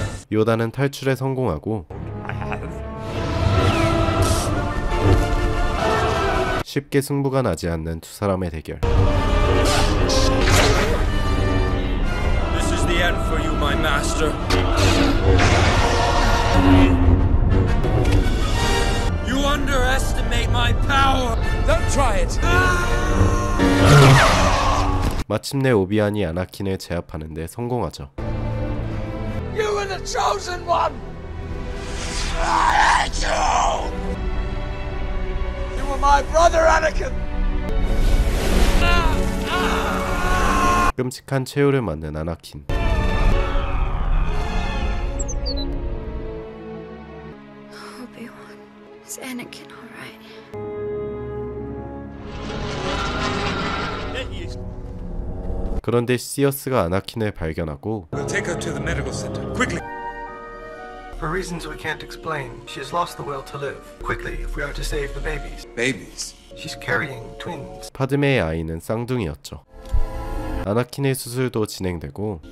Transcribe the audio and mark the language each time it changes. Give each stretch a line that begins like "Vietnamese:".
Korean: 요다는 탈출에 성공하고 쉽게 승부가 나지 않는 두 사람의 대결.
English: This is the end for you, my master. You underestimate my power. Don't try it.
Korean: 마침내 오비안이 아나킨을 제압하는데 성공하죠.
English: You are the chosen one. I hate you. You are my brother, Anakin.
Korean: 끔찍한 최후를 맞는 아나킨. 그런데 시디어스가 아나킨을 발견하고
English: We'll take her to the medical center, quickly. For reasons we can't explain, she has lost the will to live. Quickly, if we are to save the babies. Babies? She's carrying twins.
Korean: 파드메의 아이는 쌍둥이였죠. 아나킨의 수술도 진행되고